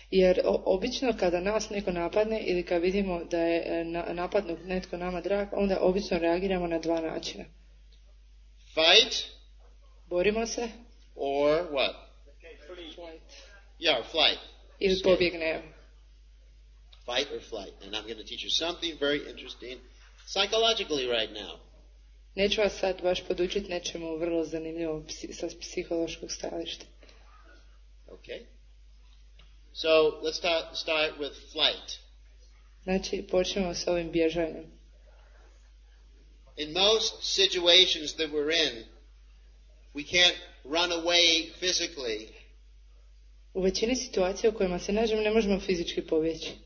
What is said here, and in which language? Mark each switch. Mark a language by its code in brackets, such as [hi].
[hr] Jer obično kada nas neko napadne ili kad vidimo da je napadnut netko nama drag, onda obično reagiramo na dva načina. [en] Fight. [hr] Borimo se. [en] Or what? Flight. Yeah, flight. [hr] Ili pobjegnemo. [en] Fight or flight. And I'm going to teach you something very interesting psychologically right now. [hr] Neću vas sad baš podučiti nečemu vrlo zanimljivo sa psihološkog stajališta. [en] Okay. So, let's start with flight. [hr] Znači, počnemo s ovim bježanjem. [en] In most situations that we're in, we can't run away physically. [hr] U većini situacija u kojima se nađemo ne možemo fizički pobjeći.